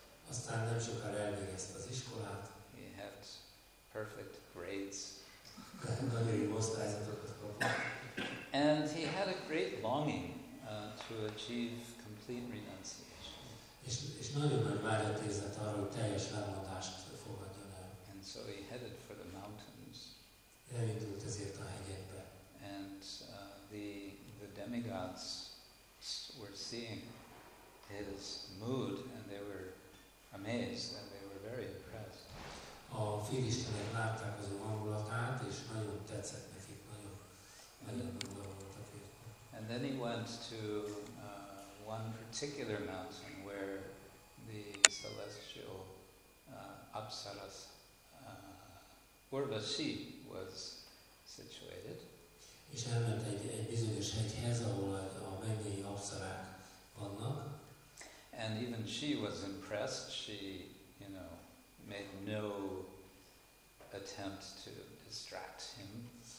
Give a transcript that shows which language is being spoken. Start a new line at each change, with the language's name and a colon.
Hungarian: Aztán nem sokára elvégezte az iskolát.
English: He had perfect grades.
Hungarian: Nagyon jó osztályzatokat kapott.
English: And he had a great longing to achieve complete renunciation.
Hungarian: És nagyon nagy vágyat érzett arra, hogy teljes lemondást fogadjon el.
English: And so he headed for the mountains.
Hungarian: Elindult ezért a hegyekbe.
English: And the demigods were seeing his mood and they were amazed, and they were very impressed.
Hungarian: A fél istenek látták az ő hangulatát, és nagyon tetszett nekik, nagyon.
English: And then he went to one particular mountain where the celestial Apsaras Urvasi was situated.
Hungarian: És elment egy bizonyos hegyhez, ahol a mennyei apszarák vannak.
English: And even she was impressed. She, you know, made no attempt to distract him.